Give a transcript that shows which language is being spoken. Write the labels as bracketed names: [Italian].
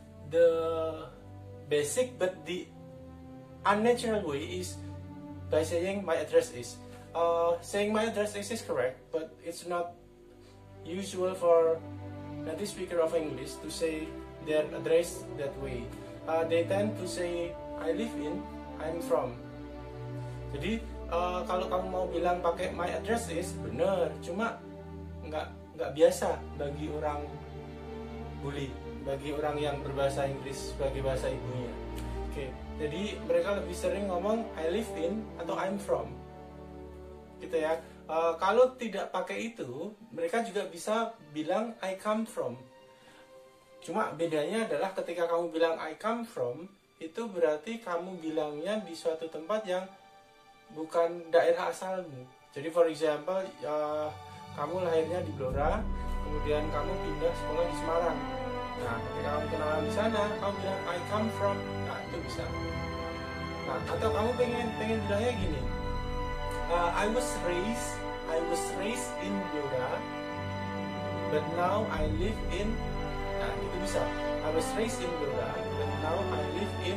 [English] The basic but the unnatural way is by saying my address is. Saying my address is correct, but it's not usual for native speaker of English to say their address that way. They tend to say I live in, I'm from. [Indonesian] Jadi kalau kamu mau bilang pakai my address is benar, cuma nggak biasa bagi orang bule, bagi orang yang berbahasa Inggris sebagai bahasa ibunya. Oke, jadi mereka lebih sering ngomong I live in atau I'm from. Gitu ya. Kalau tidak pakai itu, mereka juga bisa bilang I come from. Cuma bedanya adalah ketika kamu bilang I come from, itu berarti kamu bilangnya di suatu tempat yang bukan daerah asalmu. Jadi for example, kamu lahirnya di Blora, kemudian kamu pindah sekolah di Semarang. Nah, ketika kamu kenalan di sana, kamu bilang I come from. Nah, itu bisa. Nah, atau kamu pengen bilangnya gini. [English] I was raised in Blora, but now I live in. [Indonesian] Nah, itu bisa. [English] I was raised in Blora, but now I live in.